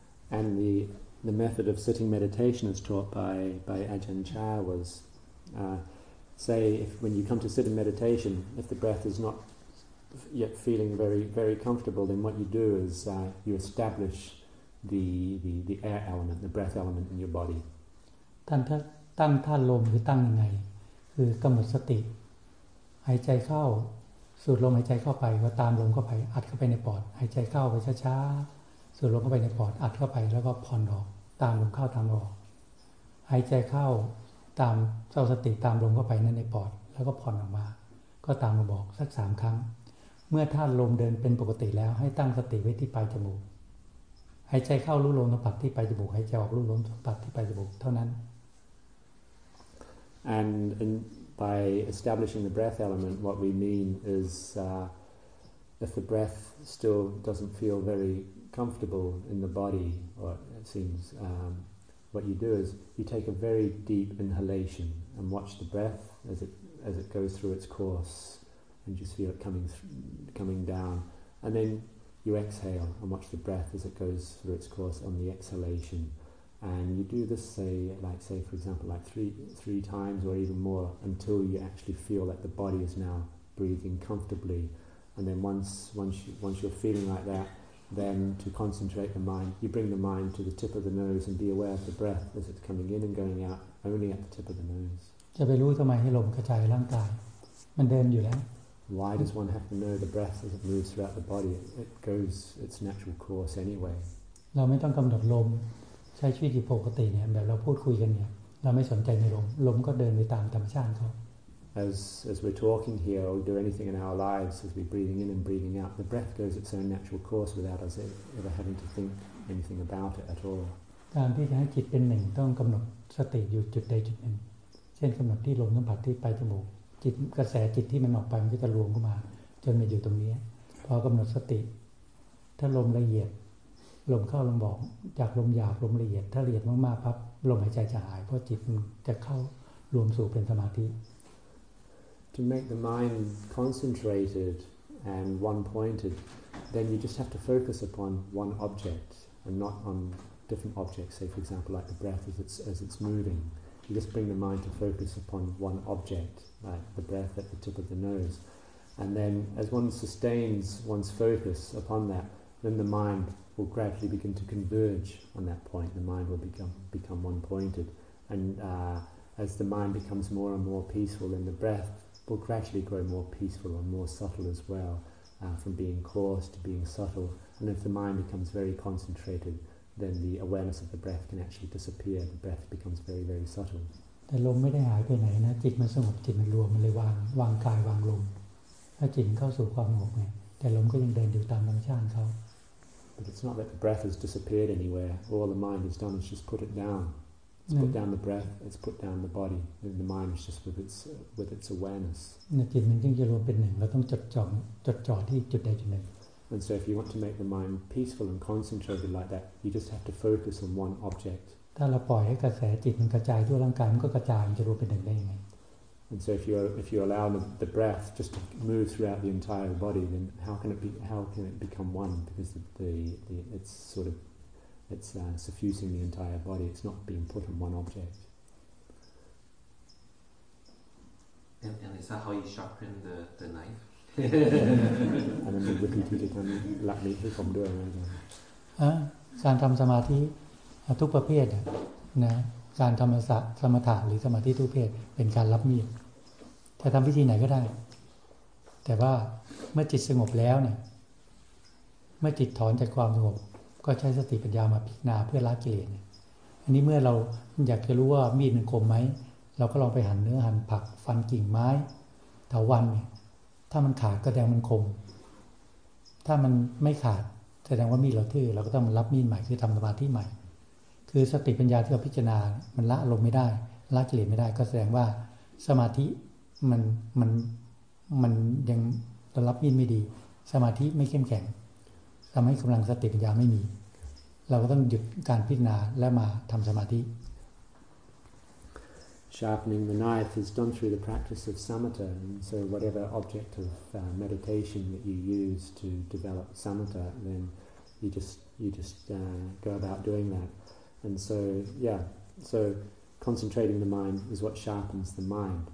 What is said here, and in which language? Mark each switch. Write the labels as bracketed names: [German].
[English] And the method of sitting meditation as taught by Ajahn Chah was say if when you come to sit in meditation if the breath is not yet feeling very very comfortable then what you do is you establishthe air element the breath element in your body [Thai] ท่านตั้งท่าลมหรือตั้งยังไงคือกำหนดสติหายใจเข้าสูดลมหายใจเข้าไปก็ตามลมเข้าไปอัดเข้าไปในปอดหายใจเข้าไปช้าๆสูดลมเข้าไปในปอดอัดเข้าไปแล้วก็ผ่อนออกตามลมเข้าตามออก หายใจเข้าตามเจ้าสติตามลมเข้าไปนั่นในปอดแล้วก็ผ่อนออกมาก็ตามมาบอกสัก3ครั้งเมื่อท่าลมเดินเป็นปกติแล้วให้ตั้งสติไว้ที่ปลายจมูกหายใจเข้ารู้ลมสัมผัสที่ปลายจมูกหายใจออกรู้ลมสัมผัสที่ปลายจมูกเท่านั้น [English] and by establishing the breath element what we mean is if the breath still doesn't feel very comfortable in the body or it seems what you do is you take a very deep inhalation and watch the breath as it as it goes through its course, and just feel it coming coming down, and then you exhale and watch the breath as it goes through its course on the exhalation. And you do this, say for example, three times or even more, until you actually feel that the body is now breathing comfortably. And then once you're feeling like that, then to concentrate the mind, you bring the mind to the tip of the nose and be aware of the breath as it's coming in and going out, only at the tip of the nose. [Thai] จะไปรู้ทำไมให้ลมกระจายร่างกายมันเดินอยู่แล้ว [English] Why does one have to know the breath as it moves throughout the body? It goes its natural course anyway. [Thai] เราไม่ต้องกำหนดลมใช้ชีวิตอยู่ปกติเนี่ยแบบเราพูดคุยกันเนี่ยเราไม่สนใจในลมลมก็เดินไปตามธรรมชาติเขา [English] As we're talking here or do anything in our lives as we're breathing in and breathing out, the breath goes its own natural course without us ever having to think anything about it at all. [Thai] การที่จะให้จิตเป็นหนึ่งต้องกำหนดสติอยู่จุดใดจุดหนึ่งเช่นกำหนดที่ลมสัมผัสที่ปลายจมูกจิตกระแสจิตที่มันออกไปมันก็จะรวมเข้ามาจนมาอยู่ตรงนี้พอกำหนดสติถ้าลมละเอียดลมเข้าลมออกจากลมหยาบลมละเอียดถ้าละเอียดมากๆปั๊บลมหายใจจะหายเพราะจิตจะเข้ารวมสู่เป็นสมาธิ [English] To make the mind concentrated and one-pointed, then you just have to focus upon one object and not on different objects. Say, for example, like the breath as it's moving. You just bring the mind to focus upon one object, like the breath at the tip of the nose. And then as one sustains one's focus upon that, then the mind will gradually begin to converge on that point. The mind will become one-pointed. And as the mind becomes more and more peaceful in the breath, will gradually grow more peaceful and more subtle as well, from being coarse to being subtle. And if the mind becomes very concentrated, then the awareness of the breath can actually disappear. The breath becomes very, very subtle. [Thai] แต่ลมไม่ได้หายไปไหนนะจิตมันสงบจิตมันรวมมันเลยวางกายวางลมถ้าจิตเข้าสู่ความสงบไงแต่ลมก็ยังเดินอยู่ตามธรรมชาติเขา [English] But it's not that the breath has disappeared anywhere. All the mind has done is just put it down. It's put down the breath. It's put down the body. And the mind is just with its awareness. [Thai] นะจิตมันจึงจะรวมเป็นหนึ่งเราต้องจดจ่อที่จุดใดจุดหนึ่ง [English] And so if you want to make the mind peaceful and concentrated like that, you just have to focus on one object. [Thai] ถ้าเราปล่อยให้กระแสจิตมันกระจายทั่วร่างกายมันก็กระจายมันจะรวมเป็นหนึ่งได้ยังไง [English] And so if you allow the breath just to move throughout the entire body, then how can it become one? Because the it's sort of it's suffusing the entire body. It's not being put on one object. And is that how you sharpen the knife? And then the repeated time, let me help him do it. [Thai] การทำสมาธิทุกประเภทนะการทำสมถะหรือสมาธิทุกประเภทเป็นการรับมีดจะทำวิธีไหนก็ได้แต่ว่าเมื่อจิตสงบแล้วเนี่ยเมื่อจิตถอนจากความสงบก็ใช้สติปัญญามาพิจารณาเพื่อละกิเลสอันนี้เมื่อเราอยากจะรู้ว่ามีดมันคมไหมเราก็ลองไปหั่นเนื้อหั่นผักฟันกิ่งไม้เถาวัลย์เนี่ยถ้ามันขาดก็แสดงมันคม ถ้ามันไม่ขาดแสดงว่ามีดเราทื่อเราก็ต้องรับมีดใหม่คือทำสมาธิใหม่คือสติปัญญาที่เราพิจารณามันละลงไม่ได้ละกิเลสไม่ได้ก็แสดงว่าสมาธิมันยังรับมีดไม่ดีสมาธิไม่เข้มแข็งทำให้กำลังสติปัญญาไม่มีเราก็ต้องหยุดการพิจารณาและมาทำสมาธิ [English] Sharpening the knife is done through the practice of samatha. And so whatever object of meditation that you use to develop samatha, then you just go about doing that. And so yeah, so concentrating the mind is what sharpens the mind.